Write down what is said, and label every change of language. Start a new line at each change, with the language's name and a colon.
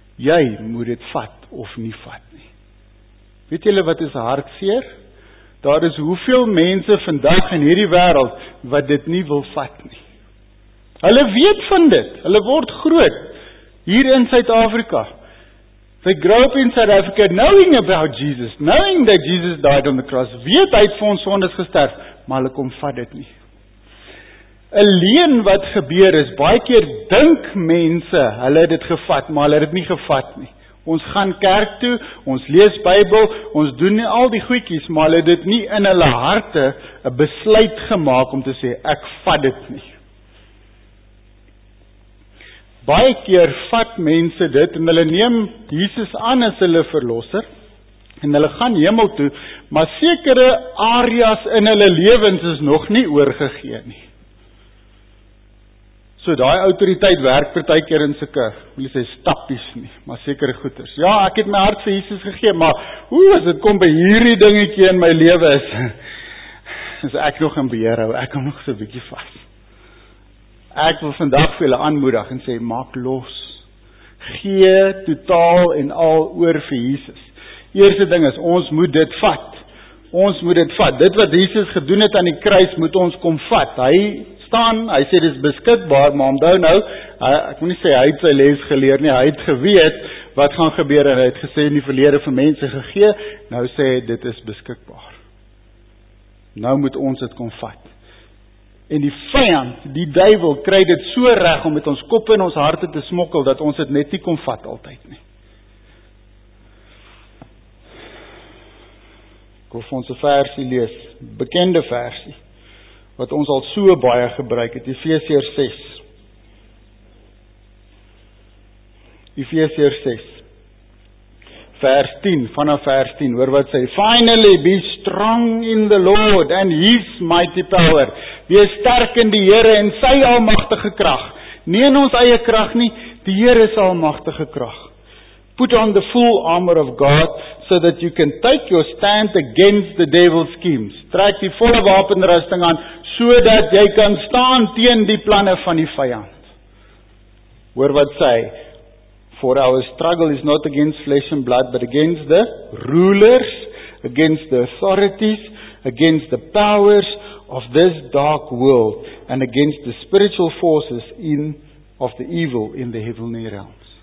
Afrikaans: Jy moet dit vat of nie vat nie. Weet julle wat is hartseer? Daar is hoeveel mense vandag in hierdie wêreld wat dit nie wil vat nie. Hulle weet van dit. Hulle word groot hier in Suid-Afrika.
English: They grow up in South Africa knowing about Jesus, knowing that Jesus died on the cross.
Afrikaans: Weet hy het vir ons sondes gesterf, maar hulle kom vat dit nie. 'n Leen wat gebeur is, baie keer dink mense, hulle het dit gevat, maar hulle het dit nie gevat nie. Ons gaan kerk toe, ons lees Bybel, ons doen nie al die goedjies, maar hulle het dit nie in hulle harte 'n besluit gemaak om te sê, ek vat dit nie. Baie keer vat mense dit en hulle neem Jesus aan as hulle verlosser en hulle gaan hemel toe, maar sekere areas in hulle lewens is nog nie oorgegee nie. So daai autoriteit werk partykeer in sulke, wil sê stappies nie, maar sekere goeders. Ja, ek het my hart vir Jesus gegee, maar hoe as dit kom by hierdie dingetjie in my lewe is, is ek nog in beheer hou, ek hou nog so 'n bietjie vas. Ek wil vandag vir julle aanmoedig en sê, maak los. Gee totaal en al oor vir Jesus. Eerste ding is, ons moet dit vat. Ons moet dit vat. Dit wat Jesus gedoen het aan die kruis, moet ons kom vat. Hy staan, hy sê, dit is beskikbaar, maar onthou nou, ek moet nie sê, hy het sy les geleer nie, hy het geweet wat gaan gebeur, en hy het gesê in die verlede vir mense gegee, nou sê, dit is beskikbaar. Nou moet ons dit kom vat. En die vyand, die duivel, kry dit so reg om met ons kop in ons harte te smokkel, dat ons dit net nie kom vat altyd nie. Ek wil vir ons 'n versie lees, bekende versie, wat ons al so baie gebruik het, Efesiërs 6. Efesiërs 6, vers 10, vanaf vers 10, hoor wat sê,
English: Finally be strong in the Lord and His mighty power.
Afrikaans: Wees sterk in die Here en sy almagtige krag. Nie in ons eie krag nie, die Here se almagtige krag.
English: Put on the full armor of God, so that you can take your stand against the devil's schemes.
Afrikaans: Trek die volle wapenrusting aan, sodat jy kan staan teen die planne van die vyand. Hoor wat sê,
English: For our struggle is not against flesh and blood, but against the rulers, against the authorities, against the powers of this dark world, and against the spiritual forces of the evil in the heavenly realms.